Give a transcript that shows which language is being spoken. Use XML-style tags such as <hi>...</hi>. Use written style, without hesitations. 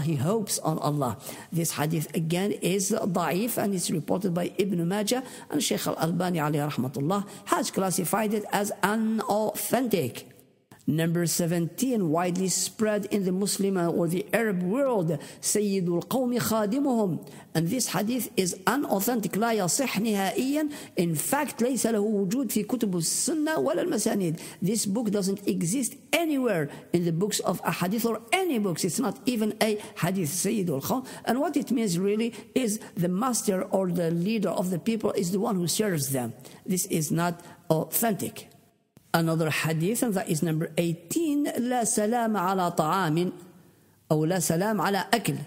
<en>He hopes on Allah. This hadith again is da'if, and it's reported by Ibn Majah, and Shaykh Al-Albani alayhi rahmatullah has classified it as unauthentic. Number 17, widely spread in the Muslim or the Arab world, Sayyidul Qawmi Khadimuhum. And this hadith is unauthentic,</en> <ar>لا يصح نهائيا.</ar> <en>In fact,</en> <ar>ليس له وجود في كتب السنة ولا المسانيد.</ar> <en>This book doesn't exist anywhere in the books of a hadith or any books. It's not even a hadith, Sayyidul Qawm. And what it means really is the master or the leader of the people is the one who serves them. This is not authentic. Another hadith, and that is number 18,</en> <ar>لا سلام على طعام, أو لا سلام على أكل.</ar>